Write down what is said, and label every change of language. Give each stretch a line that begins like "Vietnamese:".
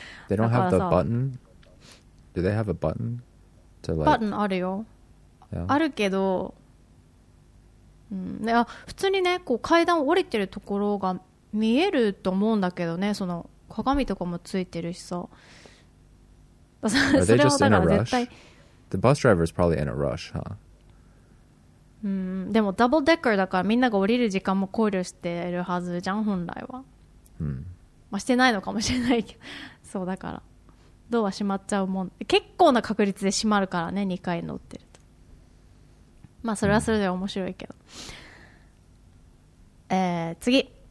English: They don't have the button? Do they have a button? To like...
Japanese: button あるよ。
English: Yeah.
Japanese: あるけど、うん、あ普通にねこう階段を降りてるところが見えると思うんだけどね、その鏡とかもついてるしさ。
English: Are they just in a rush? The bus driver is probably in a rush, huh?
Japanese: うん、でもダブルデッカーだからみんなが降りる時間も考慮してるはずじゃん本来は。 Hmm. まあ、してないのかもしれないけど、そうだからドア閉まっちゃうもん。結構な確率で閉まるからね、2階乗ってる。まあそれはそれで面白いけど、次。